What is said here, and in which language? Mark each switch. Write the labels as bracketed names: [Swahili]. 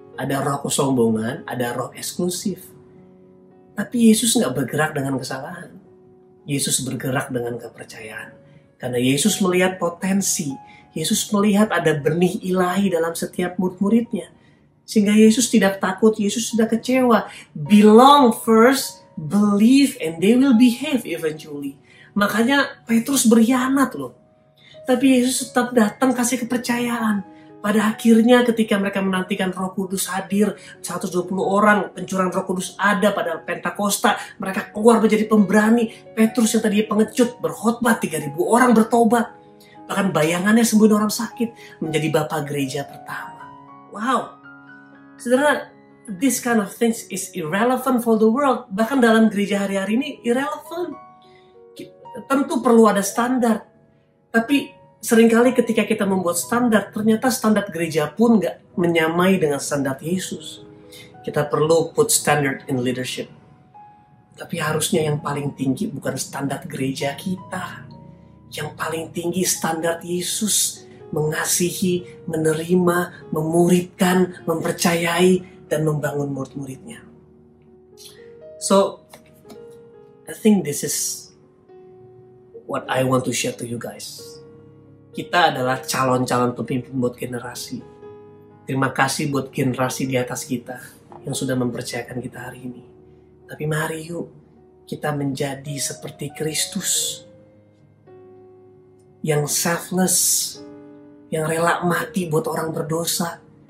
[Indonesian] Ada roh kesombongan, ada roh eksklusif. Tapi Yesus gak bergerak dengan kesalahan. Yesus bergerak dengan kepercayaan. Karena Yesus melihat potensi. Yesus melihat ada benih ilahi dalam setiap murid-muridnya. Sehingga Yesus tidak takut, Yesus tidak kecewa. [English] Belong first, believe, and they will behave eventually. [Indonesian] Makanya Petrus berkhianat loh. Tapi Yesus tetap datang kasih kepercayaan. Pada akhirnya ketika mereka menantikan Roh Kudus hadir, 120 orang pencurahan Roh Kudus ada pada Pentakosta, mereka keluar menjadi pemberani. Petrus yang tadi pengecut berkhotbah 3.000 orang bertobat. Bahkan bayangannya sembuhin orang sakit menjadi bapa gereja pertama. Wow. [English] Saudara, this kind of things is irrelevant for the world. [Indonesian] Bahkan dalam gereja hari-hari ini irrelevant. Tentu perlu ada standar. Tapi seringkali ketika kita membuat standar, ternyata standar gereja pun gak menyamai dengan standar Yesus. Kita perlu [English] put standard in leadership. [Indonesian] Tapi harusnya yang paling tinggi bukan standar gereja kita. Yang paling tinggi standar Yesus. Mengasihi, menerima, memuridkan, mempercayai, dan membangun murid-muridnya. [English] So, I think this is what I want to share to you guys. [Indonesian] Kita adalah calon-calon pemimpin buat generasi. Terima kasih buat generasi di atas kita yang sudah mempercayakan kita hari ini. Tapi mari yuk kita menjadi seperti Kristus. Yang selfless, yang rela mati buat orang berdosa.